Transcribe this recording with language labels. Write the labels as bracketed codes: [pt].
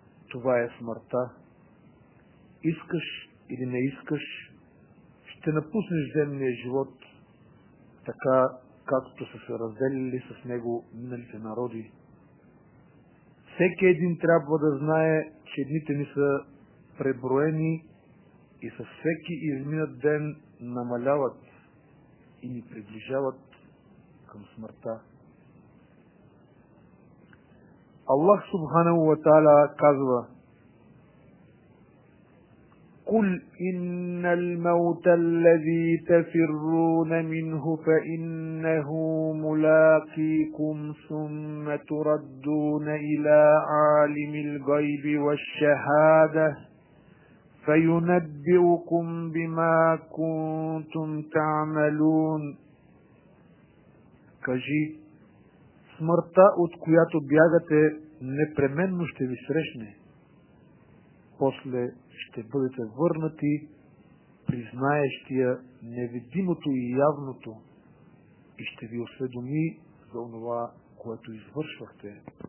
[bg] Това е смъртта. Искаш или не искаш, ще напуснеш земния живот, така както са се разделили с него миналите народи. Всеки един трябва да знае, че дните ни са преброени и със всеки изминат ден намаляват и ни приближават към смъртта. Аллах Субханаху ва Тааля казва: [ar] قل إن الموت الذي تفرون منه فإنه ملاقيكم ثم تردون إلى عالم الغيب والشهادة فينبئكم بما كنتم تعملون. [bg] كجي سمرتا от която бягате непременно ще ви срещне. После ще бъдете върнати при знаещия невидимото и явното и ще ви осведоми за онова, което извършвахте.